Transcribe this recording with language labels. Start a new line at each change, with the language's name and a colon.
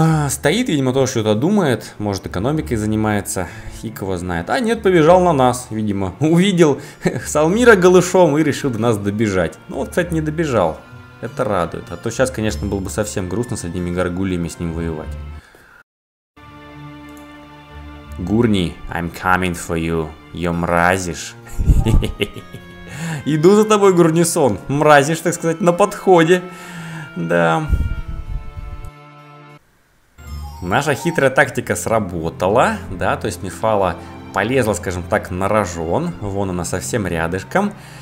Russian: Стоит, видимо, то, что это думает, может, экономикой занимается, хик его знает. А нет, побежал на нас, видимо, увидел Салмира голышом и решил до нас добежать. Ну вот, кстати, не добежал, это радует. А то сейчас, конечно, было бы совсем грустно с одними горгульями с ним воевать.
English: Гурни, I'm coming for you,
Russian: ё мразишь. Иду за тобой, Гурнисон, мразишь, так сказать, на подходе. Да... Наша хитрая тактика сработала, да, то есть Мефала полезла, скажем так, на рожон, вон она совсем рядышком.